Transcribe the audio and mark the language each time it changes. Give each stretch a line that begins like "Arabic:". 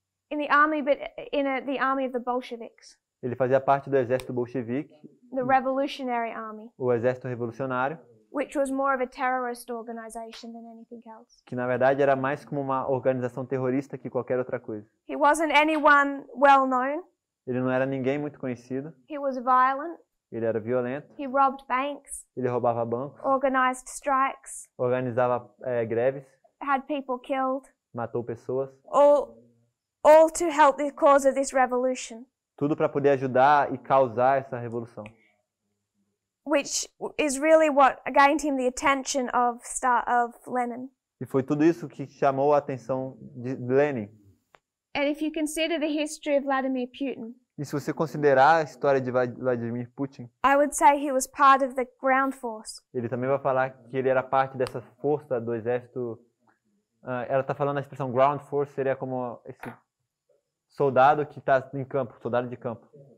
English: In the army, but in the army of the Bolsheviks.
Portuguese: Ele fazia parte do exército bolchevique.
English: The revolutionary army.
Portuguese: O exército revolucionário.
English: Which was more of a terrorist organization than anything else.
Portuguese: Que na verdade era mais como uma organização terrorista que qualquer outra coisa.
English: He wasn't anyone well known.
Portuguese: Ele não era ninguém muito conhecido.
English: He was violent.
Portuguese: Ele era violento.
English: He robbed banks.
Portuguese: Ele roubava bancos.
English: Organized strikes.
Portuguese: Organizava greves.
English: Had people killed.
Portuguese: Matou pessoas.
English: All to help the cause of this revolution.
Portuguese: Tudo para poder ajudar e causar essa revolução.
English: Which is really what gained him the attention of Lenin.
Portuguese: E foi tudo isso que chamou a atenção de Lenin.
English: And if you consider the history of Vladimir Putin.
Portuguese: E se você considerar a história de Vladimir Putin.
English: I would say he was part of the ground force.
Portuguese: Ele também vai falar que ele era parte dessa força do exército. Ela está falando a expressão ground force, seria como esse soldado que está em campo, soldado de campo.